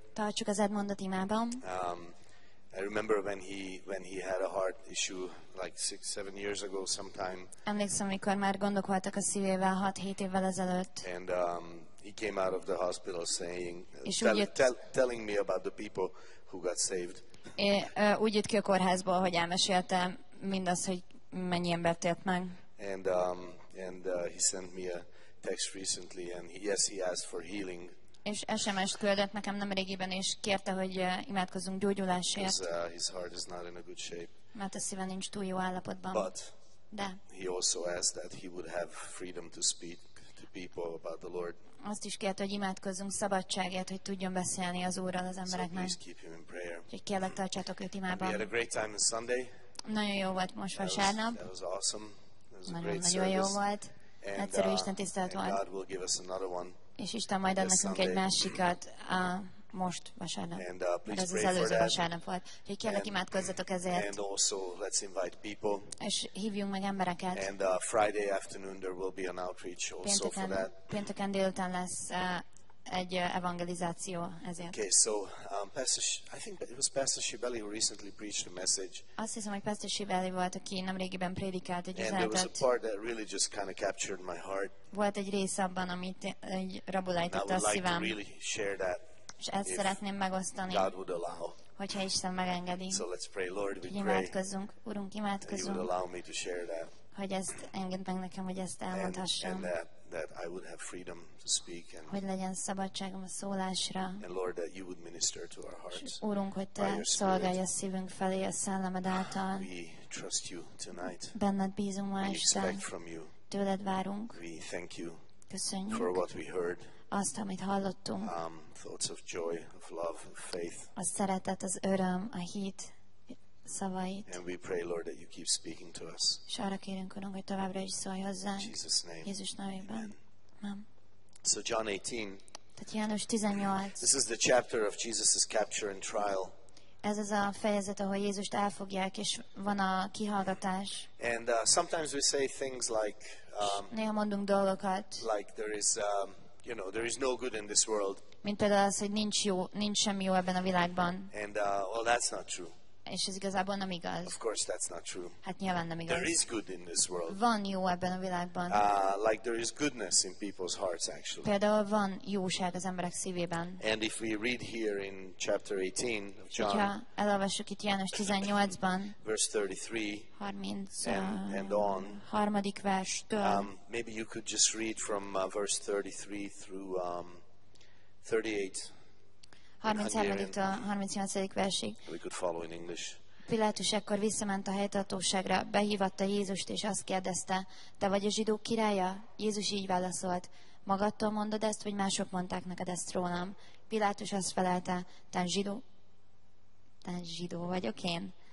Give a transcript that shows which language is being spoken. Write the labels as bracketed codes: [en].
[hu] Tartsuk az Edmundot imában. [en] I remember when he had a heart issue like 6-7 years ago sometime. [hu] Emlékszem, amikor már gondok voltak a szívével 6-7 évvel ezelőtt. [en] And he came out of the hospital saying telling me about the people who got saved. [hu] Úgy jött ki a kórházból, hogy elmesélte mindazt, hogy mennyi ember tért meg. [en] And he sent me a text recently and he asked for healing. [hu] És SMS-t küldött nekem nemrégiben, és kérte, hogy imádkozzunk gyógyulásért. [en] His heart is not in a good shape. [hu] Mert a szíve nincs túl jó állapotban. [en] But [hu] de [en] he also asked that he would have freedom to speak to people about the Lord. [hu] Azt is kérte, hogy imádkozzunk szabadságért, hogy tudjon beszélni az Úrral az embereknek. [en] So please keep him in prayer. [hu] Úgyhogy kérlek, tartsátok őt imában. [en] We had a great time on Sunday. [hu] Nagyon jó volt most vasárnap. [en] That was awesome. [hu] Nagyon jó volt. Egyszerű Isten tisztelet volt. [en] God will give us another one. [hu] És Isten majd ad nekünk egy másikat most vasárnap. [en] And, [hu] mert az az előző vasárnap volt. Úgyhogy kérlek, imádkozzatok ezért. [en] And also, let's invite people. [hu] És hívjunk meg embereket. [en] And Friday afternoon there will be an outreach also [hu] pénteken, [en] for that. [hu] Pénteken délután lesz egy evangelizáció ezért. [en] Okay, so I think it was Pastor Shibeli who recently preached a message. [hu] Azt hiszem, hogy Pastor Shibeli volt, aki nemrégiben prédikált egy üzenetet. [en] And there was a part that really just kind of captured my heart. [hu] Volt egy rész abban, amit egy rabulájtotta a szívem. [en] I would like to really share that. [hu] És ezt szeretném megosztani. [en] God would allow. [hu] Hogyha Isten megengedi. [en] So let's pray, Lord, we pray. [hu] Imádkozzunk, Urunk, imádkozzunk. [en] You would allow me to share that. [hu] Hogy ezt engedd meg nekem, hogy ezt elmondhassam. [en] That I would have freedom to speak and [hu] hogy legyen szabadságom a szólásra. [en] And Lord, that you would minister to our hearts. [hu] Úrunk, hogy te szolgálj a szívünk felé a szellemed által. [en] We trust you tonight. [hu] Benned bízunk ma este. [en] We expect from you. [hu] Tőled várunk. [en] We thank you. [hu] Köszönjük. [en] For what we heard. [hu] Azt, amit hallottunk. [en] Thoughts of joy, of love, of faith. [hu] A szeretet, az öröm, a hit szavait. [en] And we pray, Lord, that you keep speaking to us. [hu] És arra kérünk, Urunk, hogy továbbra is szólj hozzánk. [en] Jesus name. [hu] Jézus nevében. Amen. [en] So John 18. [hu] Tehát János 18. [en] This is the chapter of Jesus's capture and trial. [hu] Ez az a fejezet, ahol Jézust elfogják, és van a kihallgatás. [en] And sometimes we say things like [hu] néha mondunk dolgokat. [en] Like there is there is no good in this world. [hu] Mint például az, hogy nincs jó, nincs semmi jó ebben a világban. [en] And well, that's not true. [hu] És ez igazából nem igaz. [en] Of course that's not true. [hu] Hát nyilván nem igaz. [en] There is good in this world. [hu] Van jó ebben a világban. [en] Like there is goodness in people's hearts actually. [hu] Például van jóság az emberek szívében. [en] And if we read here in chapter 18 of John. [hu] Ja, elolvassuk itt János 18-ban. [en] Verse 33. And on. [hu] Harmadik verstől. [en] Maybe you could just read from verse 33 through 38. [hu] 33-től 38. versig. [en] We could follow in English. [hu] Pilátus ekkor visszament a helytartóságra, behívatta Jézust, és azt kérdezte, te vagy a zsidók királya? Jézus így válaszolt, magadtól mondod ezt, vagy mások mondták neked ezt rólam? Pilátus azt felelte, te zsidó vagyok én?